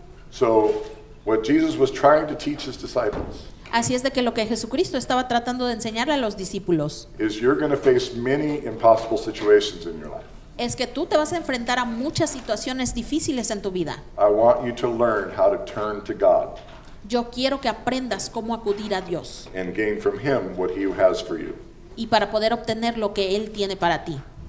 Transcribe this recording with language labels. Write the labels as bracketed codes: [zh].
[en] So, what Jesus was trying to teach his disciples. [es] Así es de que lo que Jesucristo estaba tratando de enseñarle a los discípulos. [en] Is you're going to face many impossible situations in your life. [es] Es que tú te vas a enfrentar a muchas situaciones difíciles en tu vida. [en] I want you to learn how to turn to God. [es] Yo quiero que aprendas cómo acudir a Dios. [en] And gain from him what he has for you. [es] Y para poder obtener lo que él tiene para ti.